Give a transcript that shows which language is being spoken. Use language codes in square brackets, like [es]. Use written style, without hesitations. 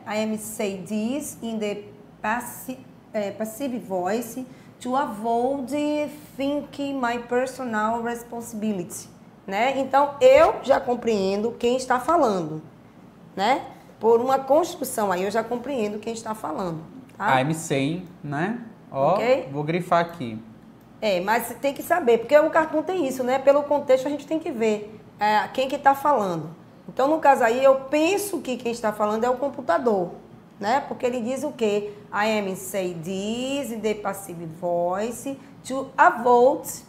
[en] I am saying this in the passive voice to avoid thinking my personal responsibility, né? [pt] Então, eu já compreendo quem está falando, né? Por uma construção aí, eu já compreendo quem está falando. Ah, [en] I'm saying, [pt] né? Okay. Vou grifar aqui. Mas tem que saber, porque o cartoon tem isso, né? Pelo contexto, a gente tem que ver quem que tá falando. Então, no caso aí, eu penso que quem está falando é o computador, né? Porque ele diz o quê? [en] I am saying this in the passive voice to avoid